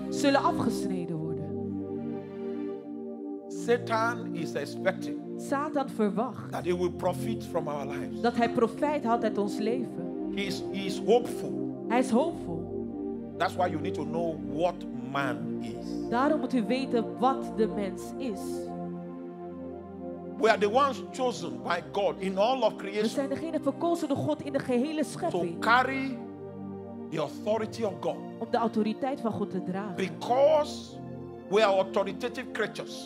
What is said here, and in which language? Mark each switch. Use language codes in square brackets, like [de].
[nl] Zullen afgesneden worden. [en] Satan is expecting. [nl] Satan verwacht [en] that he will profit from our lives. [nl] Dat hij profijt had uit ons leven. [en] He is hopeful. [nl] Hij is hoopvol. [en] That's why you need to know what man is. [nl] Daarom moet u weten wat de mens is. [en] We are the ones chosen by God in all of creation. [nl] We zijn degene verkozen door God in de gehele schepping. [en] To carry the authority of God. [nl] Om de autoriteit van God te dragen. [en] Because we are authoritative creatures.